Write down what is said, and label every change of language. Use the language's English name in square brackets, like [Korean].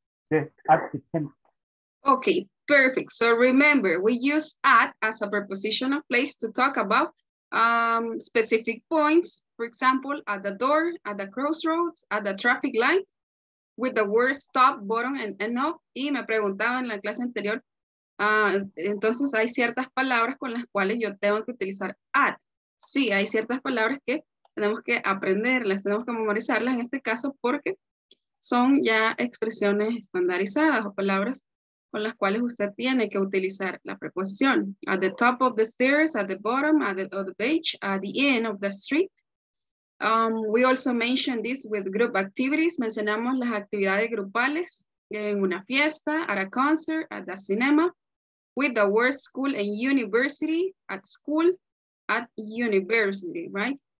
[English] Yes. At the chemist. Okay. Perfect. So remember, we use at as a preposition of place to talk about specific points, for example, at the door, at the crossroads, at the traffic light, with the words top, bottom, and off. [Spanish] Y me preguntaba en la clase anterior, entonces hay ciertas palabras con las cuales yo tengo que utilizar at. Sí, hay ciertas palabras que tenemos que aprenderlas, tenemos que memorizarlas en este caso porque son ya expresiones estandarizadas o palabras con las cuales usted tiene que utilizar la preposición. [English] At the top of the stairs, at the bottom, at the, of the beach, at the end of the street. We also mentioned this with group activities. [Spanish] Mencionamos las actividades grupales en una fiesta, [English] at a concert, at the cinema, with the word school and university, at school, at university, right?